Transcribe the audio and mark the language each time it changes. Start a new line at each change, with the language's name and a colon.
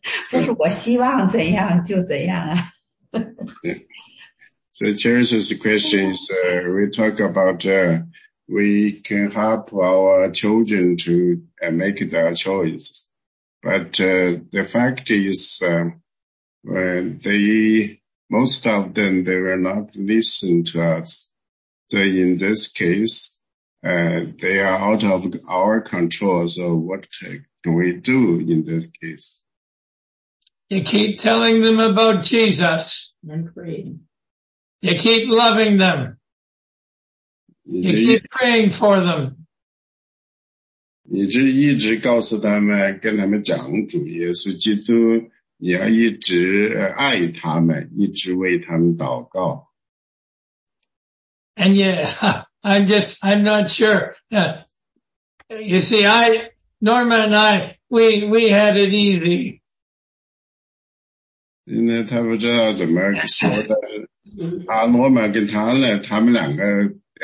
Chinese: 不是我希望怎样就怎样啊。
English: So Charles's question is, we talk about we can help our children to make their choice. But the fact is, most of them, they will not listen to us. So in this case, they are out of our control. So what can we do in this case? You keep telling them about Jesus. Agreed. You keep loving them. You keep praying for them.
Chinese: 你就一直告诉他们，跟他们讲主耶稣基督，你要一直爱他们，一直为他们祷告。
English: And yeah, I'm not sure. You see, Norma and I, we had it easy.
Chinese: 因为他不知道怎么说的，他罗马跟他呢，他们两个。